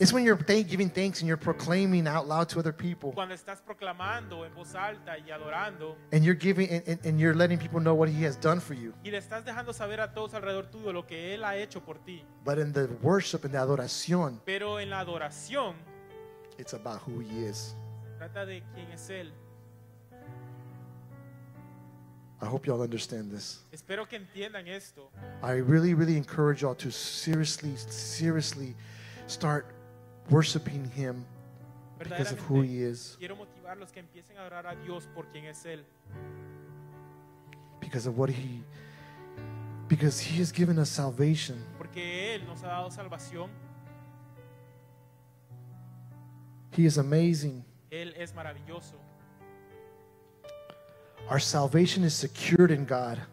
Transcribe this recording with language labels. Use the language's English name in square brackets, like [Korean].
[English] it's when you're giving thanks and you're proclaiming out loud to other people. [Spanish] Cuando estás proclamando en voz alta y adorando, [English] and you're giving and you're letting people know what He has done for you. [Spanish] Y le estás dejando saber a todos alrededor tuyo lo que Él ha hecho por ti. [English] But in the worship and the adoración, [Spanish] pero en la adoración, [English] it's about who He is. [Spanish] Se trata de quién es Él. [English] I hope y'all understand this. [Spanish] Espero que entiendan esto. [English] I really, really encourage y'all to seriously, seriously start worshiping Him. because of who he is. [Spanish] Quiero motivarlos que empiecen a orar a Dios por quien es él. [English] Because of what he, because he has given us salvation. [Spanish] Porque él nos ha dado salvación. [English] He is amazing. [Spanish] Él es maravilloso. [English] Our salvation is secured in God.